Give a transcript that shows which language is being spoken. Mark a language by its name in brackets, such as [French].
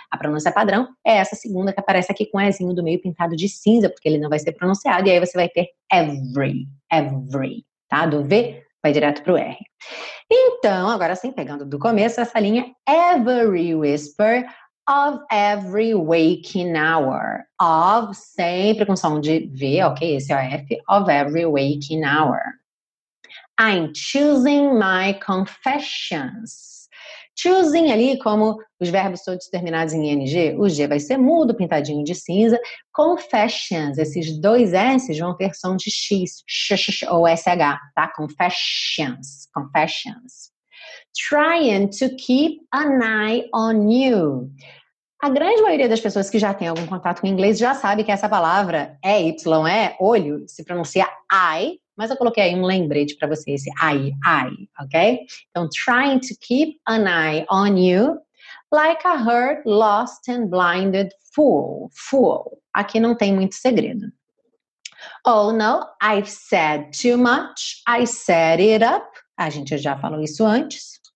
[Portuguese] A pronúncia padrão é essa segunda que aparece aqui com um ezinho do meio pintado de cinza, porque ele não vai ser pronunciado, e aí você vai ter every, every, tá? Do V vai direto pro R. Então, agora sim, pegando do começo, essa linha [English] every whisper of every waking hour. [Portuguese] Of, sempre com som de V, ok? Esse é o F, [English] of every waking hour. I'm choosing my confessions. [Portuguese] Choosing ali, como os verbos todos terminados em ing, o g vai ser mudo, pintadinho de cinza. Confessions, esses dois s's vão ter som de x, ou sh, tá? [English] Confessions, confessions. Trying to keep an eye on you. [Portuguese] A grande maioria das pessoas que já tem algum contato com inglês já sabe que essa palavra é y, é olho, se pronuncia I. Mas eu coloquei aí um lembrete para você, esse I, ok? [English] Então, trying to keep an eye on you, like a hurt, lost and blinded fool. [Portuguese] Aqui não tem muito segredo. [English] Oh no, I've said too much, I set it up. [Portuguese] A gente já falou isso antes.